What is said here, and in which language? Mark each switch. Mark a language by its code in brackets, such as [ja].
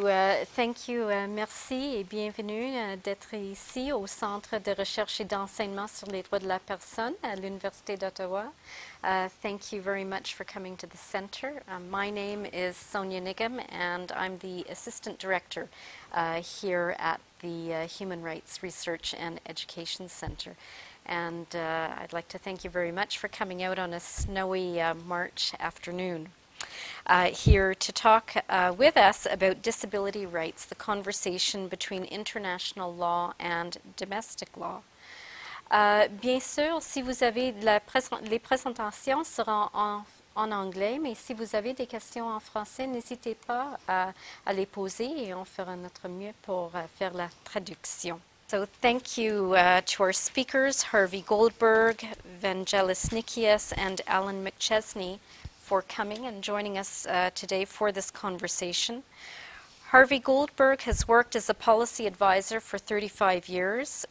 [fr] Merci et bienvenue d'être ici au Centre de recherche et d'enseignement sur les droits de la personne à l'Université d'Ottawa. [en] Thank you very much for coming to the center. My name is Sonya Nigam and I'm the assistant director here at the Human Rights Research and Education Center. And I'd like to thank you very much for coming out on a snowy March afternoon. Here to talk with us about disability rights, the conversation between international law and domestic law. [fr] Bien sûr, si vous avez les présentations seront en anglais, mais si vous avez des questions en français, n'hésitez pas à les poser et on fera notre mieux pour faire la traduction. [en] So thank you to our speakers, Harvey Goldberg, Vangelis Nikias, and Allan McChesney, for coming and joining us today for this conversation. Harvey Goldberg has worked as a policy advisor for 35 years.